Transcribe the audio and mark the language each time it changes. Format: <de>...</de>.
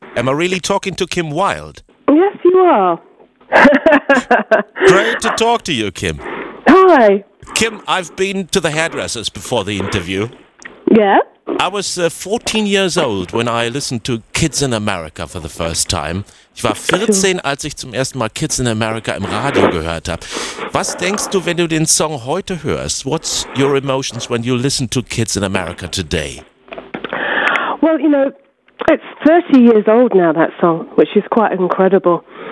<en>Am I really talking to Kim Wilde? Yes, you are. Great to talk to you, Kim. Hi. Kim, I've been to the hairdressers before the interview. Yeah? I was 14 years old when I listened to Kids in America for the first time.</en> <de>Ich war 14, als ich zum ersten Mal Kids in America im Radio gehört habe. Was denkst du, wenn du den Song heute hörst?</de> <en>What's your emotions when you listen to Kids in America today? Well, you know, it's 30 years old now, that song, which is quite incredible.</en>